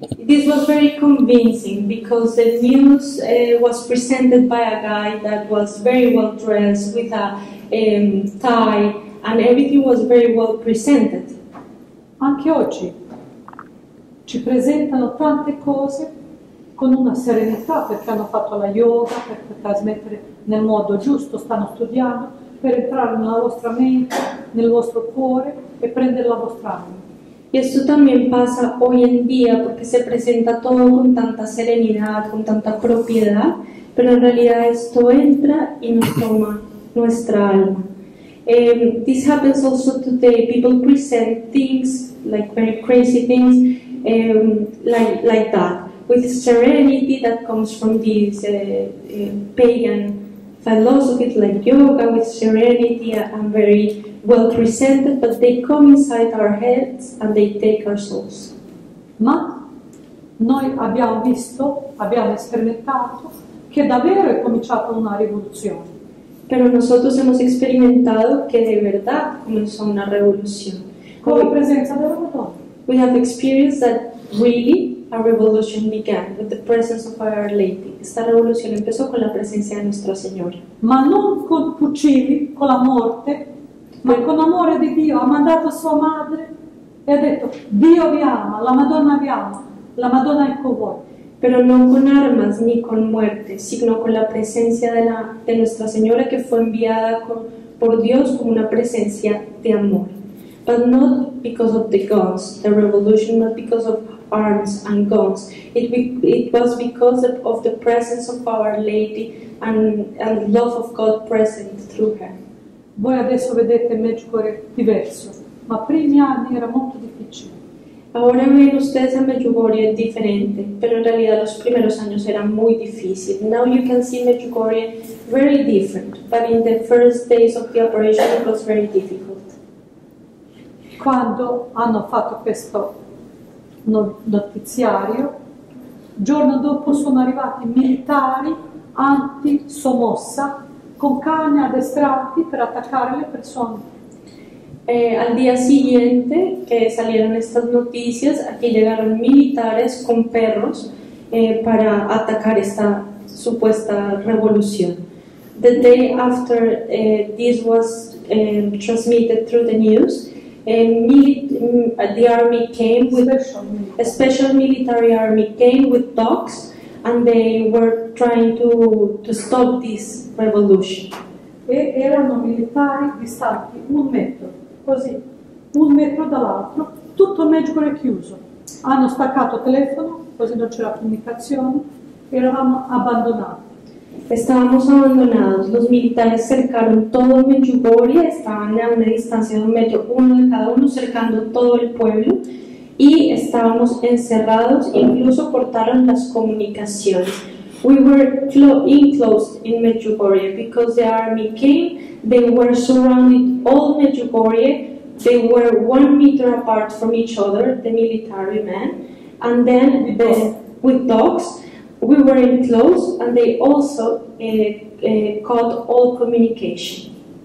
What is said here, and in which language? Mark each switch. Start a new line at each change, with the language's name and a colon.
English: This was very convincing because the news was presented by a guy that was very well dressed with a tie and everything was very well presented.
Italian: Anche oggi ci presentano tante cose con una serenità, perché hanno fatto la yoga per trasmettere nel modo giusto, stanno studiando per entrare nella vostra mente, nel vostro cuore e prendere la vostra anima.
Spanish: Y esto también pasa hoy en día porque se presenta todo con tanta serenidad, con tanta propiedad, pero en realidad esto entra y nos toma nuestra alma.
English: This happens also today. People present things, like very crazy things, like that, with serenity that comes from this pagan philosophy, like yoga, with serenity and very well presented, but they come inside our heads and they take our souls.
Italian: Ma noi abbiamo visto, abbiamo sperimentato che davvero è cominciata una rivoluzione.
Spanish: Pero nosotros hemos experimentado que de verdad comenzó una revolución. Con la presencia de la Madonna.
English: We have experienced that really a revolution began with the presence of Our Lady.
Spanish: Esta revolución empezó con la presencia de Nuestra Señora.
Italian: Ma non con fucili, con la morte, ma con amore di Dio. Ha mandato sua madre e ha detto, Dio vi ama, la Madonna vi ama, la Madonna è con voi.
Spanish: Pero no con armas ni con muerte, sino con la presencia de, de Nuestra Señora que fue enviada por Dios como una presencia de amor.
English: But not because of the guns, the revolution, not because of arms and guns. It was because of the presence of Our Lady and love of God present through her.
Italian: Voi adesso vedete Medjugorje diverso, ma primi anni era molto difficile.
Spanish: Ahora ven ustedes a Medjugorje diferente, pero en realidad los primeros años eran muy difíciles.
English: Now you can see Medjugorje very different, but in the first days of the operation it was very difficult.
Italian: Quando hanno fatto questo notiziario, giorno dopo sono arrivati militari anti-sommossa con cani addestrati per attaccare le persone.
Spanish: Al día siguiente que salieron estas noticias, aquí llegaron militares con perros para atacar esta supuesta revolución.
English: The day after this was transmitted through the news, the army came with a special military army came with dogs and they were trying to stop this revolution.
Italian: Erano militari distanti un metro. Così, un metro dall'altro, tutto Medjugorje chiuso. Hanno staccato telefono, così non c'era comunicazione, eravamo abbandonati.
Spanish: Estábamos abandonados, los militares cercaron todo Medjugorje, estaban a una distancia de un metro, uno de cada uno, cercando todo el pueblo, y estábamos encerrados, incluso cortaron las comunicaciones.
English: We were enclosed in Medjugorje because the army came, they were surrounded all Medjugorje, they were 1 meter apart from each other, the military men, and then with dogs, we were enclosed and they also cut all communication.